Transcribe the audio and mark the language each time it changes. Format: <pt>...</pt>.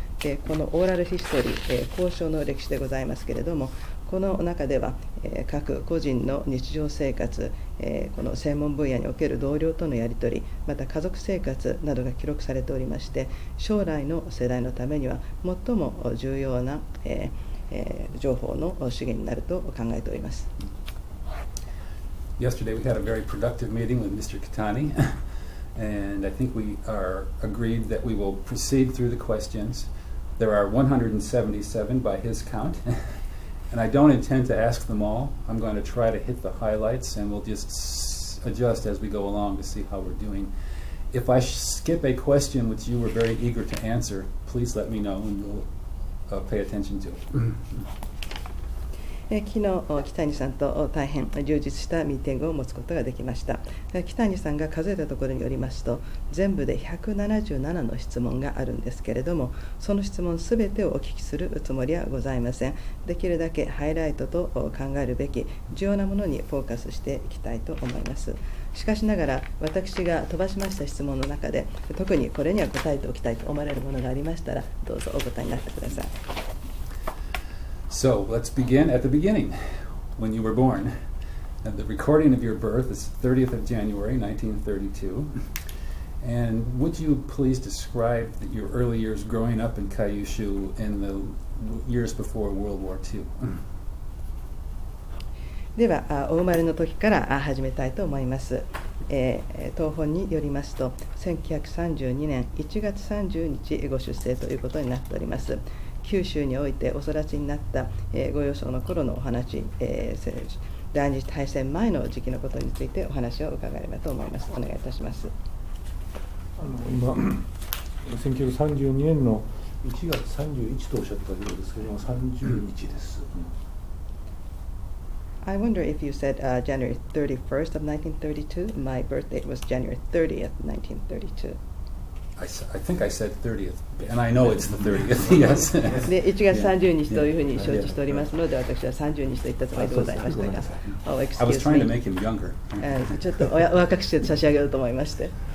<ja>で、このオーラルヒストリー、交渉の歴史でございますけれども、この中では、各個人の日常生活、この専門分野における同僚とのやり取り、また家族生活などが記録されておりまして、将来の世代のためには最も重要な、情報の資源になると考えております。</ja> <en>Yesterday we had a very productive meeting with Mr. Kitani, and I think we are agreed that we will proceed through the questions. There are 177 by his count. And I don't intend to ask them all. I'm going to try to hit the highlights, and we'll just adjust as we go along to see how we're doing. If I skip a question which you were very eager to answer, please let me know, and we'll pay attention to it.</en> <ja>昨日、北谷さんと大変充実したミーティングを持つことができました。北谷さんが数えたところによりますと、全部で177の質問があるんですけれども、その質問すべてをお聞きするつもりはございません。できるだけハイライトと考えるべき重要なものにフォーカスしていきたいと思います。しかしながら、私が飛ばしました質問の中で、特にこれには答えておきたいと思われるものがありましたら、どうぞお答えになってください。</ja> <en>So, let's begin at the beginning, when you were born. And the recording of your birth is 30th of January, 1932. And would you please describe your early years growing up in Kyushu in the years before World War II?</en> <ja>では、お生まれの時から始めたいと思います。東本によりますと、1932年1月30日ご出生ということになっております。九州においてお育ちになった、ご幼少の頃のお話、第二次大戦前の時期のことについてお話を伺えればと思います。お願いいたします。今、1932年の1月31日とおっしゃったようですけれども、30日です。</ja> <en>I wonder if you said January 31st of 1932. My birth date was January 30th, 1932. I think I said 30th, and I know it's the 30th, yes.</en> <ja>で、1月30日というふうに承知しておりますので、私は30日と言ったつもりでございましたが。</ja> <en>Oh, excuse me. I was trying to make him younger.</en> <ja>ちょっとお若くして差し上げようと思いまして。</ja>